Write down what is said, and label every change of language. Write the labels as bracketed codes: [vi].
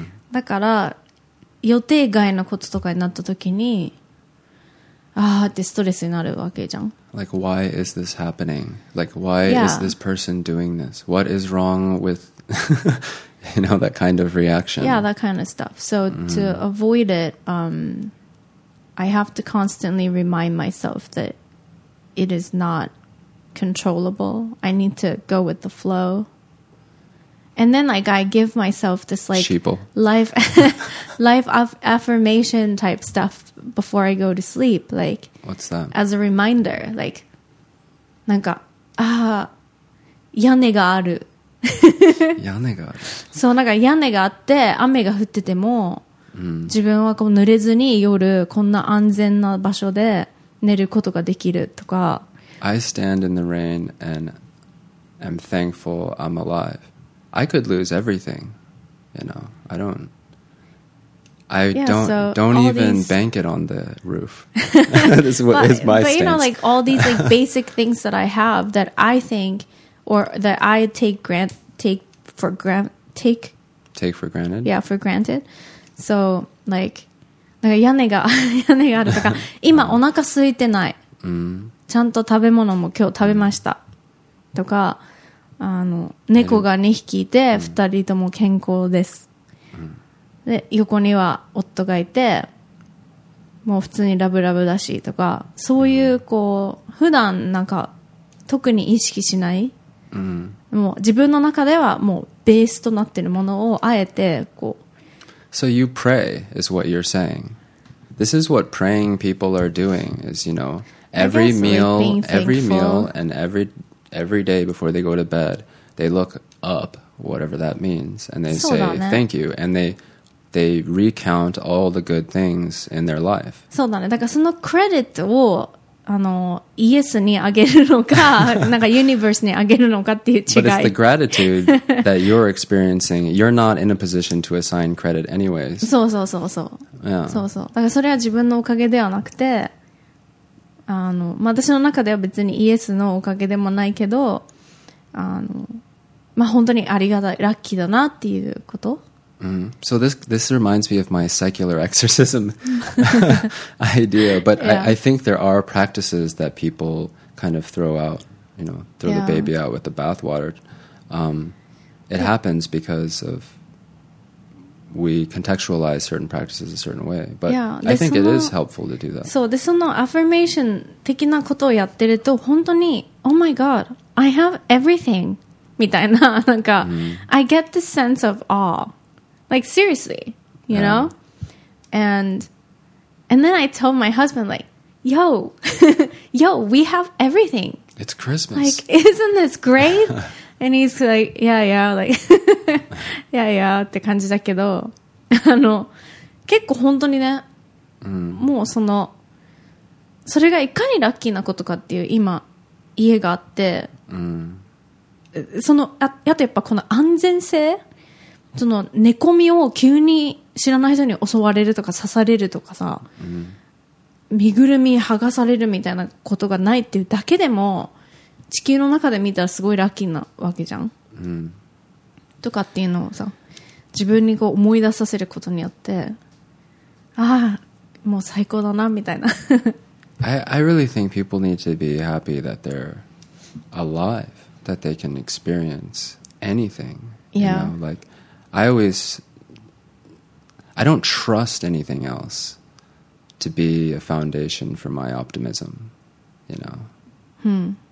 [ja] だから予定外のこととかになった時に、ああってストレスになるわけじゃん。 [en] Like why is this happening? Like why is this person doing this? What is wrong with you know that kind of reaction? Yeah, that kind of stuff. So to avoid it, I have to constantly remind myself that it is not controllable. I need to go with the flow. And then, like, I give myself this, like, life affirmation type stuff before I go to sleep. Like, what's that? As a reminder, like, [ja] なんか、ああ、屋根がある。屋根がある。そう、なんか屋根があって、雨が降ってても、自分はこう濡れずに夜、こんな安全な場所で寝ることができるとか。 [en] I stand in the rain and am thankful I'm alive. I could lose everything. You know, I don't even bank it on the roof. That is what is my stance. But you know, like all these like basic things that I have that I think or that I take for granted. Yeah, for granted. So like, [ja] なんか屋根があるとか、今お腹空いてない。ちゃんと食べ物も今日食べました。とか、あの猫が2匹いて2人とも健康です。で横には夫がいて、もう普通にラブラブだしとか、そういうこう普段なんか特に意識しない、もう自分の中ではもうベースとなってるものをあえてこう。 [en] So you pray is what you're saying. This is what praying people are doing is, you know, every meal and every day before they go to bed, they look up, whatever that means, and they say thank you, and they recount all the good things in their life. [ja] そうだね。だからそのクレジットをあのイエスにあげるのか、なんかユニバースにあげるのかっていう違い。 [en] But it's the gratitude that you're experiencing. You're not in a position to assign credit anyways. [ja] そうそうそうそう。そうそう。だからそれは自分のおかげではなくて、あの、まあ、私の中では別にイエスのおかげでもないけど、あの、まあ、本当にありがたい、ラッキーだなっていうこと。 [en] So this reminds me of my secular exorcism idea, but yeah. I think there are practices that people kind of throw out, you know, throw the baby out with the bathwater. It happens because of we contextualize certain practices a certain way, but I think it is helpful to do that. So [ja] でその [en] affirmation [ja] 的なことをやってると本当に [en] oh my god, I have everything [ja] みたいな、なんか [en] I get this sense of awe. Like, seriously, you know? And then I told my husband, like, yo, we have everything. It's Christmas. Like, isn't this great? And he's like, yeah, [ja] って感じだけど、あの、結構本当にね、もうその、それがいかにラッキーなことかっていう、今、家があって、その、あとやっぱこの安全性、その寝込みを急に知らない人に襲われるとか刺されるとかさ、身ぐるみ剥がされるみたいなことがないっていうだけでも地球の中で見たらすごいラッキーなわけじゃん、とかっていうのをさ自分にこう思い出させることによってああもう最高だなみたいな。 [en] I really think people need to be happy that they're alive, that they can experience anything, you know, likeI don't trust anything else to be a foundation for my optimism, you know.